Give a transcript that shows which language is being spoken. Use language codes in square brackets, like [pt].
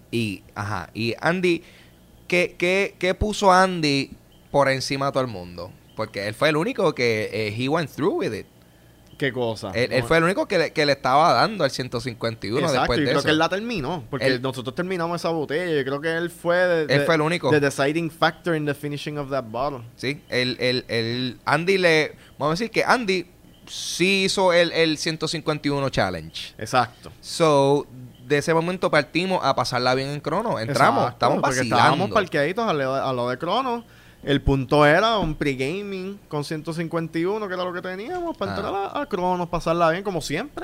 [es] Y Andy, ¿qué puso Andy por encima de todo el mundo? Porque él fue el único que... he went through with it. ¿Qué cosa? Él fue el único que le estaba dando el 151. Exacto, después de eso. Yo creo que él la terminó. Porque nosotros terminamos esa botella. Yo creo que él fue... Él fue el único. [en] The deciding factor in the finishing of that bottle. [es] Sí. El Andy le... Vamos a decir que Andy sí hizo el 151 challenge. Exacto. So... De ese momento partimos a pasarla bien en Cronos. Entramos. Exacto, estamos vacilando. Porque estábamos parqueaditos a lo de Cronos. El punto era un pre-gaming con 151, que era lo que teníamos, para entrar a Cronos, pasarla bien, como siempre.